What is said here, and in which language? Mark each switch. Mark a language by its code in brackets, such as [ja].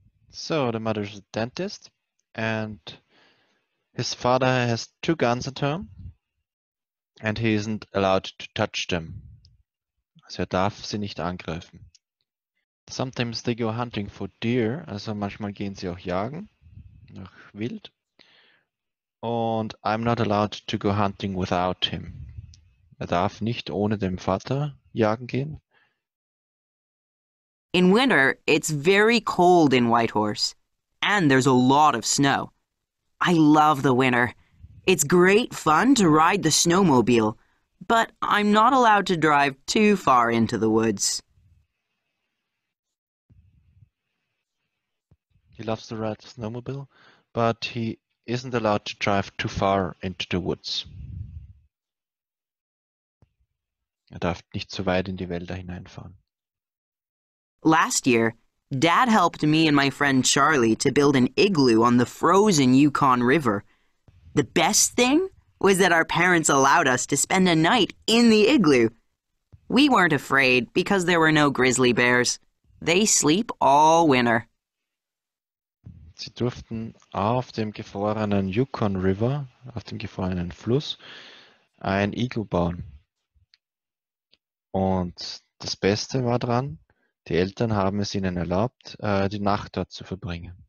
[en] So the mother's a dentist and his father has two guns at home and he isn't allowed to touch them. [de] Also er darf sie nicht angreifen. [en] Sometimes they go hunting for deer, [de] also manchmal gehen sie auch jagen nach Wild. [en] Und I'm not allowed to go hunting without him. [de] Er darf nicht ohne den Vater jagen gehen. [en] In winter, it's very cold in Whitehorse, and there's a lot of snow. I love the winter. It's great fun to ride the snowmobile, but I'm not allowed to drive too far into the woods. He loves to ride the snowmobile, but he isn't allowed to drive too far into the woods. [de] Er darf nicht zu weit in die Wälder hineinfahren. [en] Last year, Dad helped me and my friend Charlie to build an igloo on the frozen Yukon River. The best thing was that our parents allowed us to spend a night in the igloo. We weren't afraid because there were no grizzly bears. They sleep all winter. [de] Sie durften auf dem gefrorenen Yukon River, auf dem gefrorenen Fluss, ein Igloo bauen. Und das Beste war dran, die Eltern haben es ihnen erlaubt, die Nacht dort zu verbringen.